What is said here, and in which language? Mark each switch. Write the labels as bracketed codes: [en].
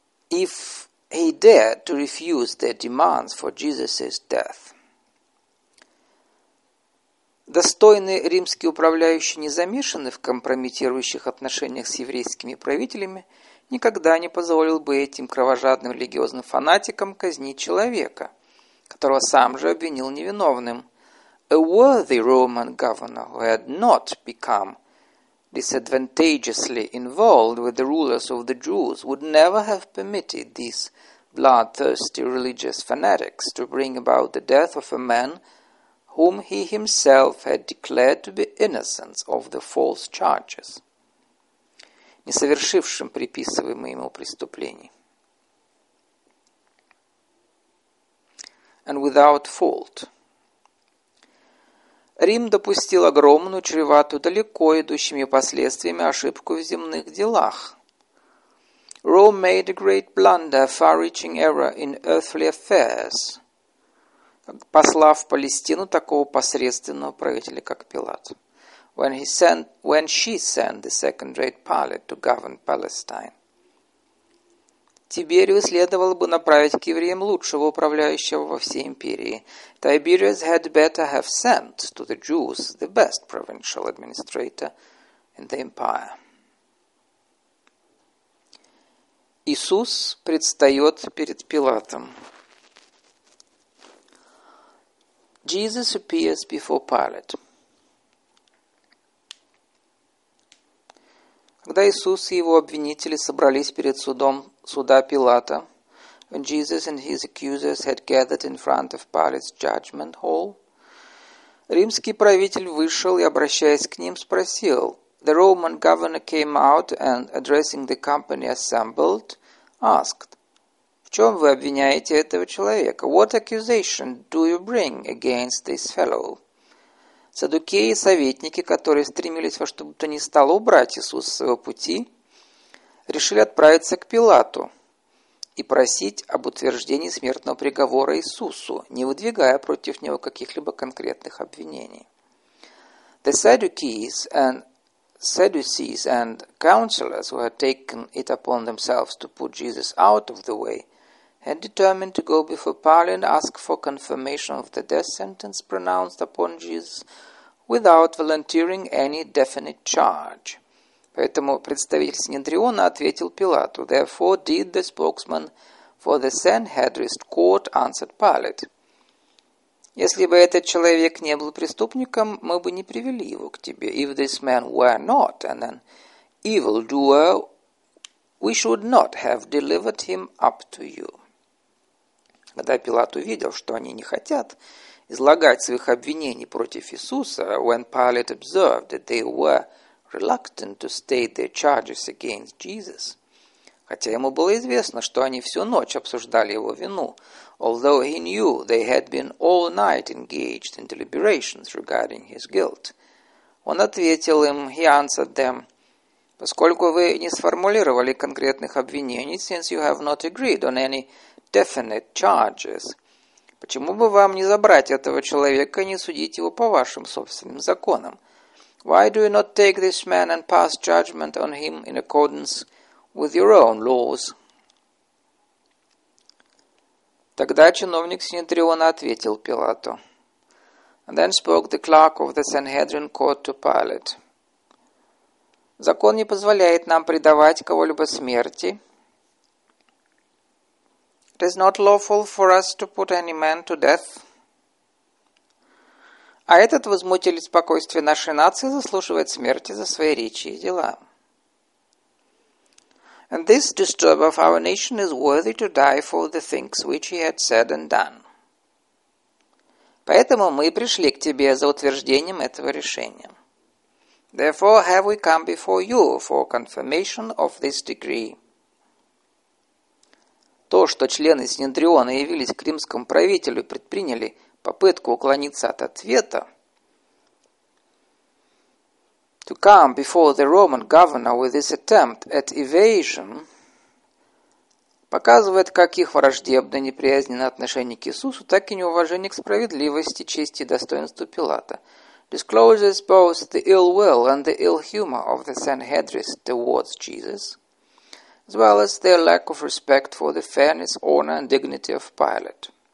[en] If he dared to refuse their demands for Jesus' death. [ru] Достойные римские управляющие, не замешаны в компрометирующих отношениях с еврейскими правителями, никогда не позволил бы этим кровожадным религиозным фанатикам казнить человека, которого сам же обвинил невиновным. [en] A worthy Roman governor who had not become disadvantageously involved with the rulers of the Jews would never have permitted these bloodthirsty religious fanatics to bring about the death of a man whom he himself had declared to be innocent of the false charges, [ru] не совершившим приписываемое ему преступление, [en] and without fault. [ru] Рим допустил огромную, чреватую, далеко идущими последствиями ошибку в земных делах. [en] Rome made a great blunder, far-reaching error in earthly affairs, [ru] послав в Палестину такого посредственного правителя, как Пилат. [en] When she sent the second-rate Pilate to govern Palestine. [ru] Тиберию следовало бы направить к евреям лучшего управляющего во всей империи. [en] Tiberius had better have sent to the Jews the best provincial administrator in the empire. [ru] Иисус предстает перед Пилатом. [en] Jesus appears before Pilate. [ru] Когда Иисус и его обвинители собрались перед судом суда Пилата, [en] when Jesus and his accusers had gathered in front of Pilate's judgment hall, [ru] римский правитель вышел и, обращаясь к ним, спросил. [en] The Roman governor came out and, addressing the company assembled, asked, [ru] в чем вы обвиняете этого человека? [en] What accusation do you bring against this fellow? [ru] Саддукеи и советники, которые стремились во что бы то ни стало убрать Иисуса с своего пути, решили отправиться к Пилату и просить об утверждении смертного приговора Иисусу, не выдвигая против него каких-либо конкретных обвинений. [en] The Sadducees and counselors who had taken it upon themselves to put Jesus out of the way had determined to go before Pilate and ask for confirmation of the death sentence pronounced upon Jesus without volunteering any definite charge. [ru] Поэтому представитель Синедриона ответил Пилату. [en] Therefore did the spokesman for the Sanhedrin court answered Pilate. [ru] Если бы этот человек не был преступником, мы бы не привели его к тебе. [en] If this man were not an evildoer, we should not have delivered him up to you. [ru] Когда Пилат увидел, что они не хотят излагать своих обвинений против Иисуса, [en] when Pilate observed that they were reluctant to state their charges against Jesus, [ru] хотя ему было известно, что они всю ночь обсуждали его вину, [en] although he knew they had been all night engaged in deliberations regarding his guilt, [ru] он ответил им, [en] he answered them, [ru] поскольку вы не сформулировали конкретных обвинений, [en] since you have not agreed on any definite charges, [ru] почему бы вам не забрать этого человека и не судить его по вашим собственным законам? [en] Why do you not take this man and pass judgment on him in accordance with your own laws? [ru] Тогда чиновник Синедриона ответил Пилату. [en] And then spoke the clerk of the Sanhedrin court to Pilate. [ru] Закон не позволяет нам предавать кого-либо смерти. [en] It is not lawful for us to put any man to death. [ru] А этот возмутитель спокойствия нашей нации заслуживает смерти за свои речи и дела. [en] And this disturber of our nation is worthy to die for the things which he had said and done. [ru] Поэтому мы пришли к тебе за утверждением этого решения. [en] Therefore have we come before you for confirmation of this decree. [ru] То, что члены Синедриона явились к римскому правителю и предприняли попытку уклониться от ответа, [en] to come before the Roman governor with this attempt at evasion, [ru] показывает как их враждебное неприязненное отношение к Иисусу, так и неуважение к справедливости, чести и достоинству Пилата. [en] Discloses both the ill will and the ill humor of the Sanhedrin towards Jesus, as well as their lack of respect for the fairness, honor and dignity of Pilate.